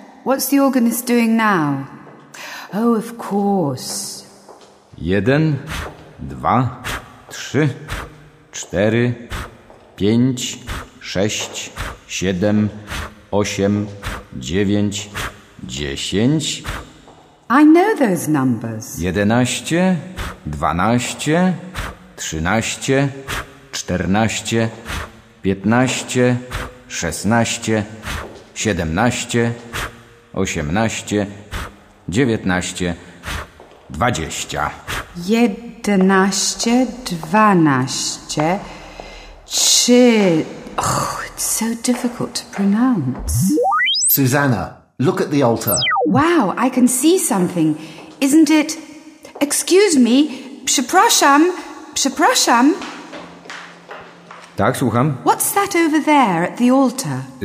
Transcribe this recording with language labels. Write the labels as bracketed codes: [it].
[en] What's the organist doing now? Oh, of course. [pl] Jeden, dwa, trzy, cztery, pięć, sześć, siedem, osiem, dziewięć, dziesięć. [en] I know those numbers. [pl] Jedenaście, dwanaście, trzynaście, czternaście, piętnaście, szesnaście, siedemnaście, osiemnaście, dziewiętnaście, dwadzieścia. Jedenaście, dwanaście, trzy... [en] Oh, it's so difficult to pronounce. Suzanna, look at the altar. Wow, I can see something. Isn't it... Excuse me, [pl] przepraszam, przepraszam. Tak, słucham. [en] What's that over there at the altar?